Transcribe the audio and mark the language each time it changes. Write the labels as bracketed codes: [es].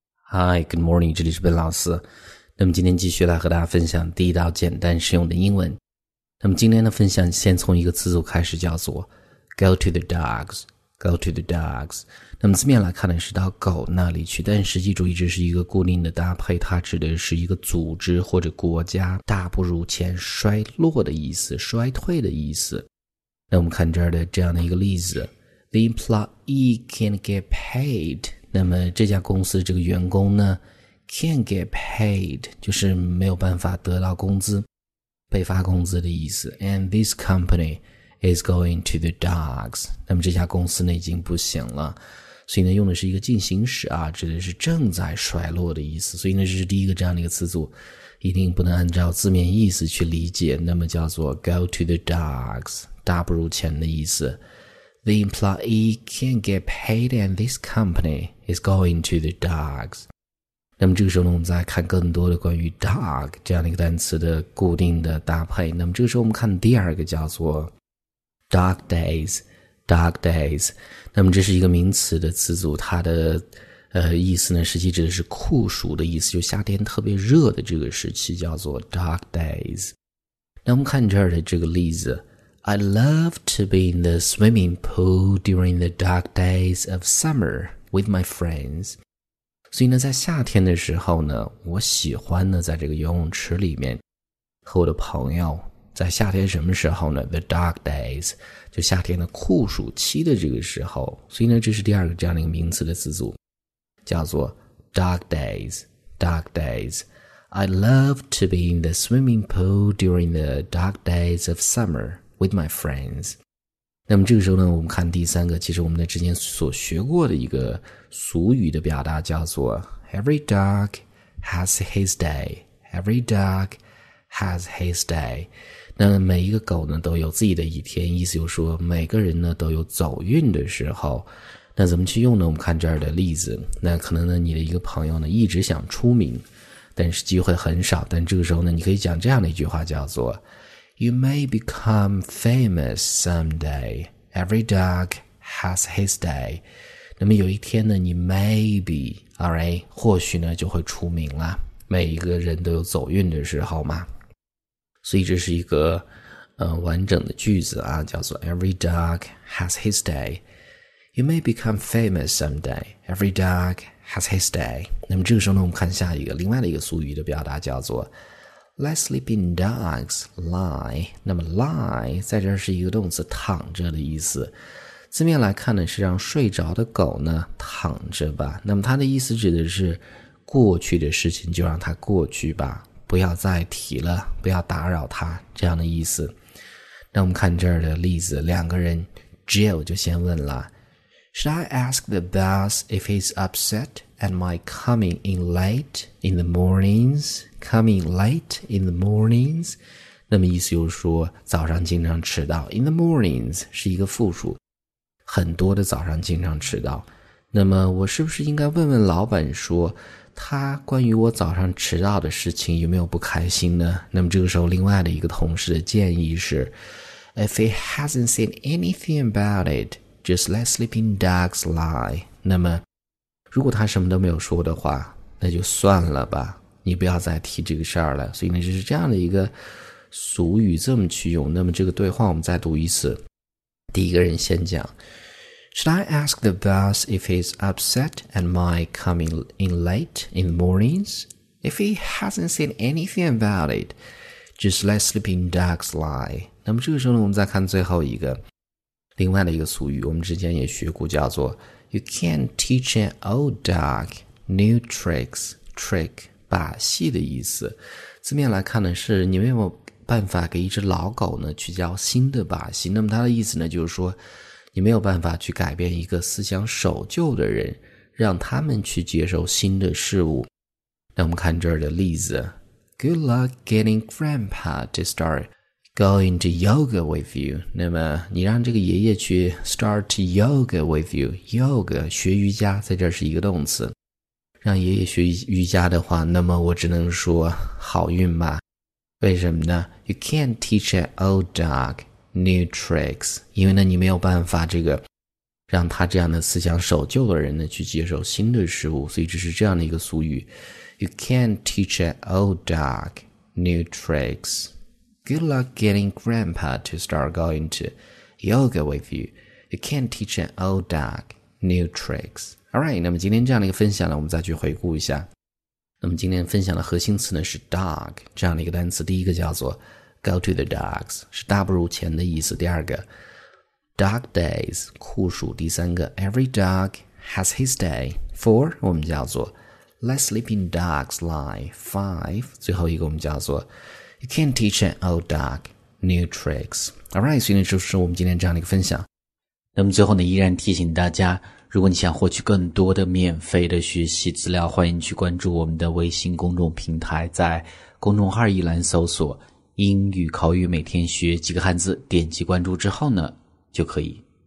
[en] Hi, good morning, [zh] 这里是 Ben 老师。那么今天继续来和大家分享地道、简单、实用的英文。那么今天的分享先从一个词组开始，叫做 [en] go to the dogs, go to the dogs。 [zh] 那么字面来看的是到狗那里去，但实际注意这是一个固定的搭配，它指的是一个组织或者国家大不如前、衰落的意思、衰退的意思。那我们看这儿的这样的一个例子 , [en] The employee can't get paid。 [zh] 那么这家公司这个员工呢 , [en] can't get paid, [zh] 就是没有办法得到工资，被发工资的意思。 [en] And this company is going to the dogs. [zh] 那么这家公司呢已经不行了。所以呢用的是一个进行时啊，指的是正在衰落的意思。所以呢这是第一个这样的一个词组，一定不能按照字面意思去理解，那么叫做 [en] go to the dogs, [zh] 大不如前的意思。 [en] The employee can't get paid and this company is going to the dogs. [zh] 那么这个时候呢我们再看更多的关于 dog 这样的一个单词的固定的搭配。那么这个时候我们看第二个叫做 [en] dog days, dog days. [zh] 那么这是一个名词的词组，它的意思呢实际指的是酷暑的意思，就夏天特别热的这个时期叫做 [en] dog days. [zh] 那我们看这儿的这个例子， [en] I love to be in the swimming pool during the dog days of summer with my friends. [zh] 所以呢在夏天的时候呢，我喜欢呢在这个游泳池里面和我的朋友，在夏天什么时候呢 ? [en] The dog days, [zh] 就夏天的酷暑期的这个时候。所以呢这是第二个这样的一个名词的词组，叫做 [en] dog days, dog days. I love to be in the swimming pool during the dog days of summer. With my friends. [zh] 那么这个时候呢我们看第三个，其实我们之前所学过的一个俗语的表达叫做 [en] Every dog has his day. Every dog has his day. [zh] 那每一个狗呢都有自己的一天，意思就是说每个人呢都有走运的时候。那怎么去用呢？我们看这儿的例子，那可能呢你的一个朋友呢一直想出名，但是机会很少，但这个时候呢你可以讲这样的一句话叫做 [en] You may become famous someday. Every dog has his day. [zh] 那么有一天呢你 [en] maybe, alright, [zh] 或许呢就会出名了。每一个人都有走运的时候嘛。所以这是一个完整的句子啊，叫做 [en] Every dog has his day. You may become famous someday. Every dog has his day. [zh] 那么这个时候呢我们看下一个另外的一个俗语的表达叫做 [en] Let sleeping dogs lie. [zh] 那么 lie 在这是一个动词，躺着的意思。字面来看呢是让睡着的狗呢躺着吧。那么它的意思指的是过去的事情就让它过去吧，不要再提了，不要打扰它，这样的意思。那我们看这儿的例子，两个人 [en] Jill [zh] 就先问了 [en] Should I ask the boss if he's upset at my coming in late in the morningsComing late in the mornings, [zh] 那么意思就是说早上经常迟到。 [en] In the mornings [zh] 是一个复数，很多的早上经常迟到。那么我是不是应该问问老板说，他关于我早上迟到的事情有没有不开心呢？那么这个时候，另外的一个同事的建议是 [en] ，If he hasn't said anything about it, just let sleeping dogs lie. [zh] 那么如果他什么都没有说的话，那就算了吧。你不要再提这个事儿了。所以呢就是这样的一个俗语这么去用。那么这个对话我们再读一次，第一个人先讲 [en] Should I ask the boss if he's upset at my coming in late in the mornings? If he hasn't said anything about it, just let sleeping dogs lie. [zh] 那么这个时候呢我们再看最后一个另外的一个俗语，我们之前也学过，叫做 [en] You can't teach an old dog new tricks, [zh] trick把戏的意思。字面来看呢是你没有办法给一只老狗呢去教新的把戏，那么它的意思呢就是说你没有办法去改变一个思想守旧的人，让他们去接受新的事物。那我们看这儿的例子 [en] Good luck getting grandpa to start going to yoga with you. [zh] 那么你让这个爷爷去 [en] start yoga with you. [zh] Yoga 学瑜伽，在这是一个动词，让爷爷学瑜伽的话，那么我只能说好运吧。为什么呢？ [en] You can't teach an old dog new tricks. [zh] 因为呢你没有办法这个让他这样的思想守旧的人呢去接受新的事物。所以这是这样的一个俗语， [en] You can't teach an old dog new tricks. Good luck getting grandpa to start going to yoga with you. You can't teach an old dog new tricks. Alright, [zh] 那么今天这样的一个分享呢，我们再去回顾一下。那么今天分享的核心词呢是 dog 这样的一个单词。第一个叫做 [en] go to the dogs， [zh] 是大不如前的意思。第二个 [en] dog days， [zh] 酷暑。第三个 [en] every dog has his day， 4 [zh] 我们叫做 [en] let sleeping dogs lie， 5 [zh] 最后一个我们叫做 [en] you can't teach an old dog new tricks。 Alright， [zh] 所以呢就是我们今天这样的一个分享。那么最后呢依然提醒大家，如果你想获取更多的免费的学习资料，欢迎去关注我们的微信公众平台，在公众号一栏搜索英语口语每天学几个汉字，点击关注之后呢就可以。